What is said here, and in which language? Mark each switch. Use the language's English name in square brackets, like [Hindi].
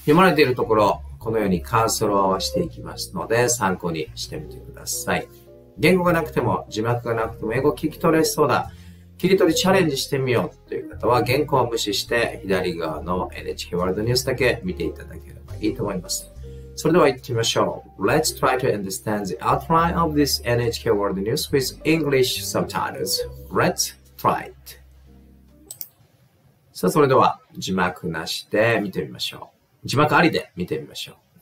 [Japanese] 読まれているところこのようにカーソルを合わせていきますので参考にしてみてください。言語がなくても字幕がなくても英語聞き取れそうだ、切り取りチャレンジしてみようという方は原稿を無視して左側の NHK ワールドニュースだけ見ていただければいいと思います。それでは行ってみましょう。 [English] Let's try to understand the outline of this NHK World News with English subtitles. Let's try it. [Japanese] さあそれでは字幕なしで見てみましょう。字幕ありで見てみましょう。